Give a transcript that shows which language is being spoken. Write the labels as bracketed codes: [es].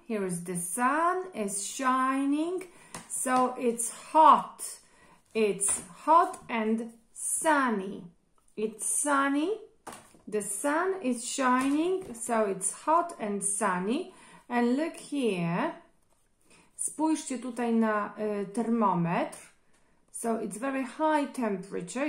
[en] Here is the sun is shining. So it's hot. It's hot and sunny. It's sunny. The sun is shining, so it's hot and sunny. And look here. [pl] Spójrzcie tutaj na termometr. [en] So it's very high temperature.